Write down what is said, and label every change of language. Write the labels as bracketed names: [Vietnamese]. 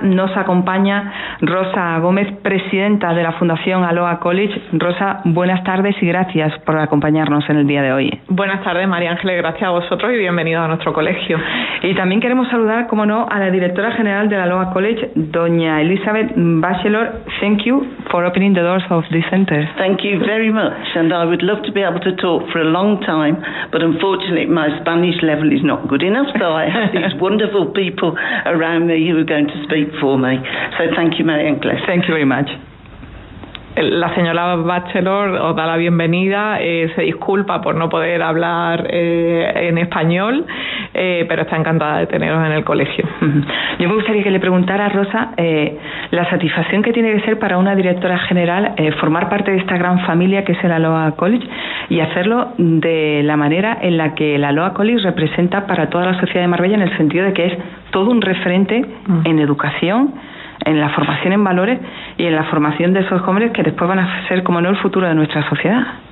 [Spanish] Nos acompaña Rosa Gómez, presidenta de la Fundación Aloha College. Rosa, buenas tardes y gracias por acompañarnos en el día de hoy. Buenas tardes, María Ángeles, gracias a vosotros y bienvenido a nuestro colegio. Y también queremos saludar, como no, a la directora general de la Aloha College, doña Elizabeth Bachelor. [English] Thank you for opening the doors of this center. Thank you very much, and I would love to be able to talk for a long time, but unfortunately my Spanish level is not good enough, so I have these wonderful people around me who are going to speak for me. So thank you, María Ángeles. Thank you very much. [Spanish] La señora Bachelor os da la bienvenida, se disculpa por no poder hablar en español, pero está encantada de teneros en el colegio. Yo me gustaría que le preguntara, Rosa, la satisfacción que tiene que ser para una directora general formar parte de esta gran familia que es el Aloha College, y hacerlo de la manera en la que el Aloha College representa para toda la sociedad de Marbella, en el sentido de que es todo un referente en educación, en la formación en valores y en la formación de esos jóvenes que después van a ser, como no, el futuro de nuestra sociedad.